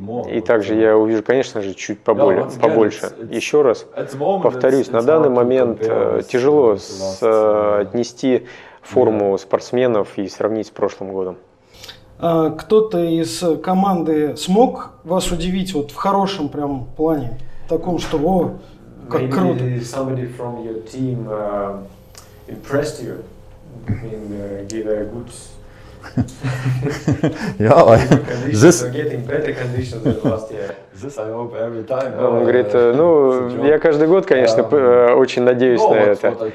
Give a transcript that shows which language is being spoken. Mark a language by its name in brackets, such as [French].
[Russian] И также я увижу, конечно же, чуть побольше. Еще раз повторюсь, на данный момент тяжело отнести форму спортсменов и сравнить с прошлым годом. Кто-то из команды смог вас удивить вот в хорошем прям плане? Таком, что, о, как круто. [English] Maybe somebody from your team impressed you and gave a good conditions or getting better conditions than last year. [Russian] Он говорит, я каждый год, конечно, очень надеюсь на это.